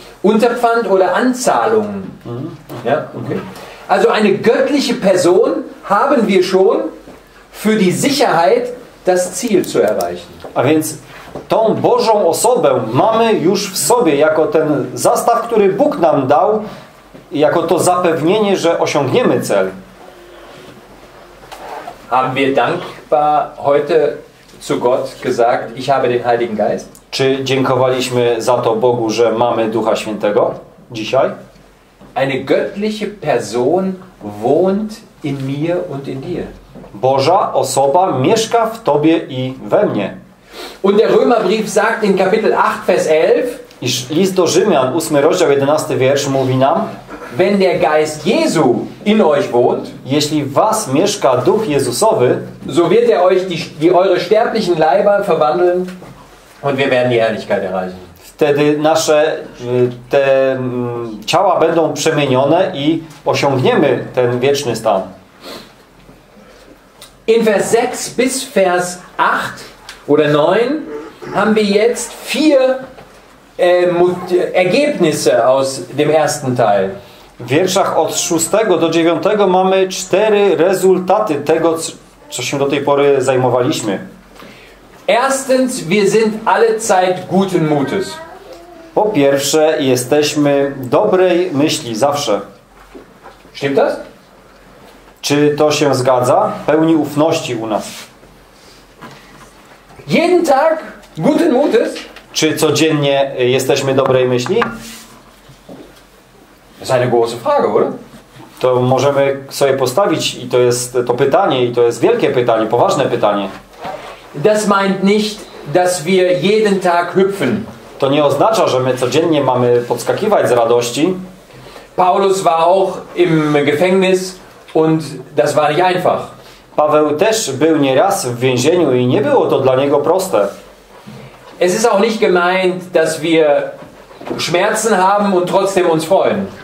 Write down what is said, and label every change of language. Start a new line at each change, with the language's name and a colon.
German: Unterpfand oder Anzahlung. Ja, okay. Also eine göttliche Person haben wir schon für die Sicherheit, das Ziel zu erreichen.
Polish: A więc Tą Bożą osobę mamy już w sobie, jako ten zastaw, który Bóg nam dał, jako to zapewnienie, że osiągniemy cel.
German: Haben wir dankbar heute zu Gott gesagt, ich habe den Heiligen Geist?
Polish: Czy dziękowaliśmy za to Bogu, że mamy Ducha Świętego dzisiaj?
German: Eine göttliche Person wohnt in mir und in dir.
Polish: Boża osoba mieszka w tobie i we mnie.
German: Und der Römerbrief sagt in Kapitel 8 Vers 11,
Polish: iż List do Rzymian, 8 rozdział 11 wiersz mówi nam,
German: wenn der Geist Jesu in euch wohnt,
Polish: jeśli w was mieszka Duch Jezusowy,
German: so wird er euch die eure sterblichen Leiber verwandeln und wir werden die Herrlichkeit erreichen.
Polish: Wtedy nasze te ciała będą przemienione i osiągniemy ten wieczny stan.
German: In Vers 6 bis Vers 8 oder 9 haben wir jetzt vier Ergebnisse aus dem ersten Teil.
Polish: W wierszach od 6 do 9 mamy cztery rezultaty tego, co się do tej pory zajmowaliśmy.
German: Erstens, wir sind alle Zeit guten Mutes.
Polish: Po pierwsze, jesteśmy dobrej myśli zawsze.
German: Stimmt das?
Polish: Czy to się zgadza? Pełni ufności u nas.
German: Jeden Tag guten Mutes.
Polish: Czy codziennie jesteśmy dobrej myśli? To jest
German: eine große Frage, oder?
Polish: To możemy sobie postawić i to jest to pytanie, i to jest wielkie pytanie, poważne pytanie.
German: Das meint nicht, dass wir jeden Tag hüpfen.
Polish: To nie oznacza, że my codziennie mamy podskakiwać z radości.
German: Paulus war auch im Gefängnis und das war nicht einfach.
Polish: Paweł też był nieraz w więzieniu i nie było to dla niego proste.
German: Es ist auch nicht gemeint, dass wir Schmerzen haben und trotzdem uns freuen.